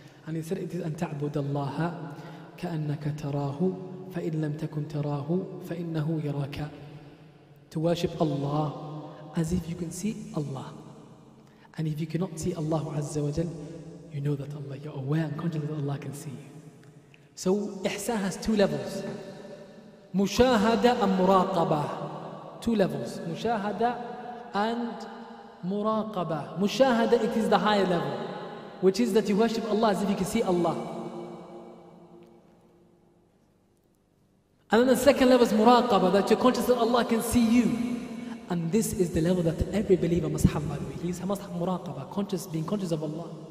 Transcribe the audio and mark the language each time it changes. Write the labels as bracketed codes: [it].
[en] And he said, it is [ar] أن تعبد الله كأنك تراه فإن لم تكن تراه فإنه يراك. [en] To worship Allah as if you can see Allah. And if you cannot see Allah Azza wa Jal, you know that Allah, you're aware and conscious that Allah can see you. So ihsan has two levels. [ar] مشاهدة and مراقبة. [en] Two levels. [ar] مشاهدة and مراقبة. [en] مشاهدة, it is the higher level, which is that you worship Allah as if you can see Allah. And then the second level is مراقبة, that you're conscious that Allah can see you. And this is the level that every believer must have, by the way. He must have مراقبة, conscious, being conscious of Allah.